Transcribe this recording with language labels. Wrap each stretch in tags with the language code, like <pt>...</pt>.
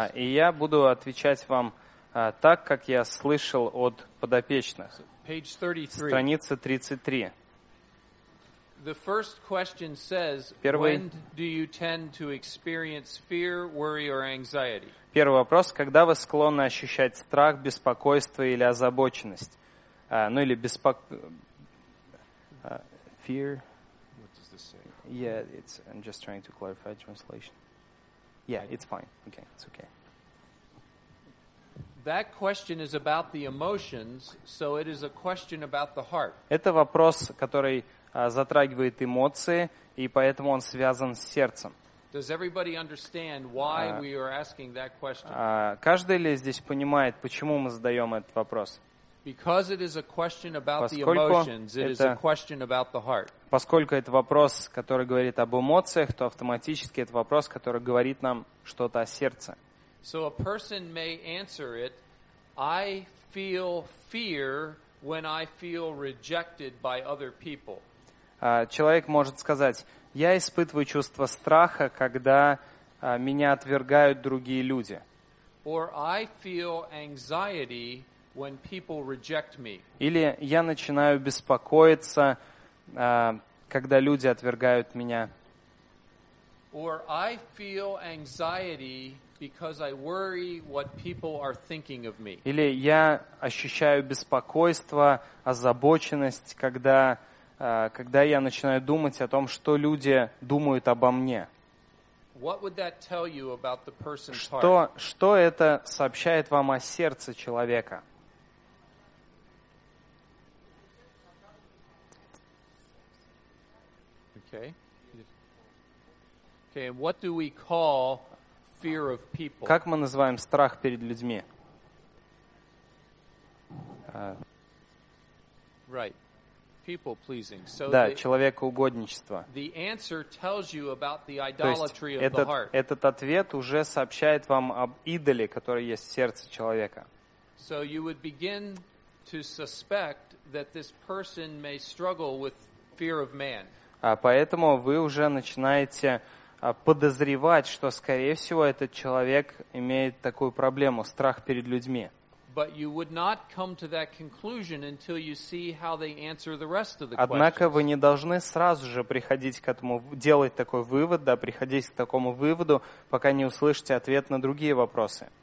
<ru>И я буду отвечать вам так, как я слышал от подопечных.</ru> <en>Page 33.</en> <ru>Страница 33.</ru> <en>The first question says, when do you tend to experience fear, worry, or anxiety?</en> <ru>Первый вопрос: когда вы склонны ощущать страх, беспокойство или озабоченность? Ну или fear.</ru> <en>What does this say? Yeah, it's. I'm just trying to clarify translation. Yeah, it's fine. Okay, it's okay. That question is about the emotions, so it is a question about the heart.</en> <ru>Это вопрос, который затрагивает эмоции, и поэтому он связан с сердцем.</ru> <en>Does everybody understand why we are asking that question?</en> <ru>Каждый ли здесь понимает, почему мы задаем этот вопрос?</ru> <en>Because it is a question about the emotions, it is a question about the heart.</en> <ru>Поскольку это вопрос, который говорит об эмоциях, то автоматически это вопрос, который говорит нам что-то о сердце.</ru> <en>So a person may answer it, I feel fear when I feel rejected by other people.</en> <ru>Человек может сказать, я испытываю чувство страха, когда меня отвергают другие люди.</ru> <en>Or I feel anxiety when people reject me.</en> <ru>Или я начинаю беспокоиться, когда люди отвергают меня.</ru> <en>Or I feel anxiety because I worry what people are thinking of me.</en> <ru>Или я ощущаю беспокойство, озабоченность, когда я начинаю думать о том, что люди думают обо мне.</ru> <en>What would that tell you about the person's heart?</en> <ru>Что это сообщает вам о сердце человека?</ru> <en>Okay. And what do we call fear of people?</en> <ru>Как мы называем страх перед людьми?</ru> <en>Right. People pleasing. So</en> <ru>да, человекоугодничество.</ru> <en>The answer tells you about the idolatry of the heart.</en> <ru>Этот ответ уже сообщает вам об идоле, который есть в сердце человека.</ru> <en>So you would begin to suspect that this person may struggle with fear of man.</en> <ru>Поэтому вы уже начинаете подозревать, что, скорее всего, этот человек имеет такую проблему – страх перед людьми.</ru> <en>But you would not come to that conclusion until you see how they answer the rest of the questions.</en> <ru>Однако вы не должны сразу же приходить к этому, делать такой вывод, да, приходить к такому выводу, пока не услышите ответ на другие вопросы.</ru>